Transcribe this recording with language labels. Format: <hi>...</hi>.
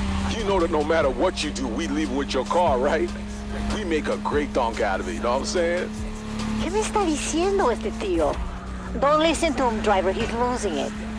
<en>You know that no matter what you do, we leave with your car, right? Make a great donk out of it, you know what I'm saying?</en> <es>¿Qué me está diciendo este tío?</es> <en>Don't listen to him, driver. He's losing it.</en>